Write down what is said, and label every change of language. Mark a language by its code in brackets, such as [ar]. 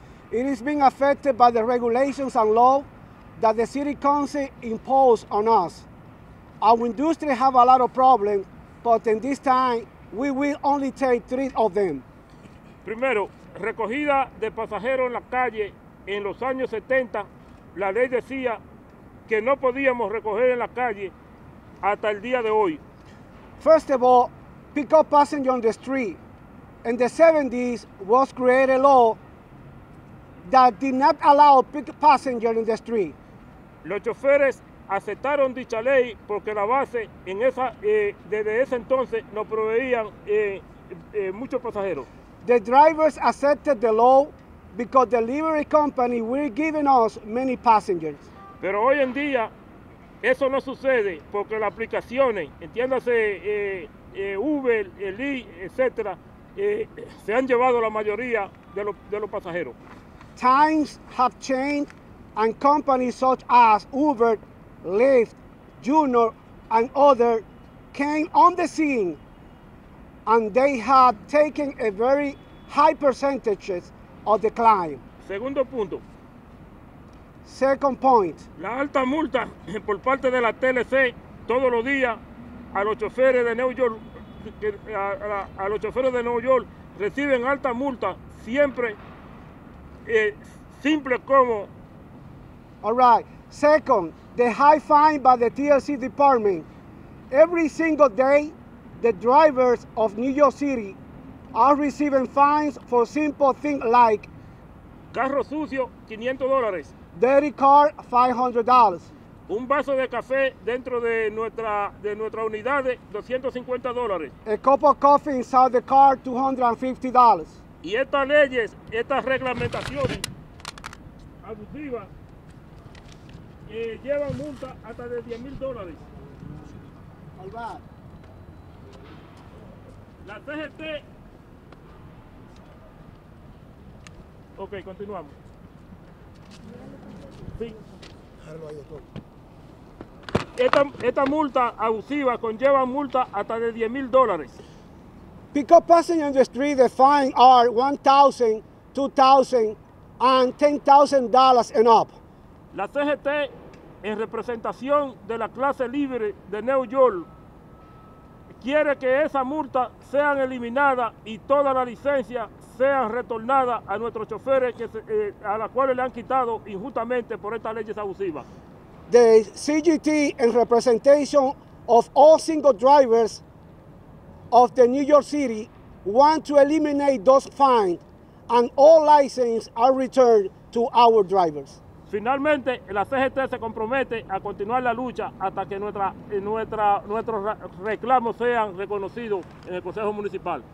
[en] It is being affected by the regulations and law that the City Council imposed on us. Our industry have a lot of problems, but in this time, we will only take three of them. [es] Primero, recogida de pasajeros en la calle en los años 70, la ley decía que no podíamos recoger en la calle hasta el día de hoy. [en] First of all, pick up passengers on the street. In the 70s was created a law that did not allow pick passengers in the street. [es] Los choferes aceptaron dicha ley porque la base en esa, desde ese entonces no proveían muchos pasajeros. [en] The drivers accepted the law because the delivery company were giving us many passengers. [es] Pero hoy en día eso no sucede porque las aplicaciones, entiéndase Uber, Lyft, etcétera, se han llevado la mayoría de los pasajeros. [en] Times have changed and companies such as Uber, Lyft, Junior and others came on the scene and they have taken a very high percentage of the climb. [es] Segundo punto. [en] Second point. [es] La alta multa por parte de la TLC todos los días a los choferes de New York, a los choferes de New York reciben alta multa siempre, simple como. [en] All right. Second, the high fine by the TLC department. Every single day, the drivers of New York City are receiving fines for simple things like [es] carro sucio, $500. [en] Dirty car, $500. [es] Un vaso de café dentro de nuestra unidad, $250. [en] A cup of coffee inside the car, $250. [es] Y estas leyes, estas reglamentaciones abusivas, llevan multa hasta de $10,000. [en] All right. [es] La CGT. Ok, continuamos. Esta multa abusiva conlleva multa hasta de $10,000. [en] Pick up passengers on the street, the fines are $1,000, $2,000, and $10,000 and up. [es] La CGT, en representación de la clase libre de New York, quiere que esa multa sea eliminada y toda la licencia sean retornadas a nuestros choferes que se, a las cuales le han quitado injustamente por estas leyes abusivas. [en] The CGT in representation of all single drivers of the New York City want to eliminate those fines and all licenses are returned to our drivers. [es] Finalmente, la CGT se compromete a continuar la lucha hasta que nuestros reclamos sean reconocidos en el Consejo Municipal.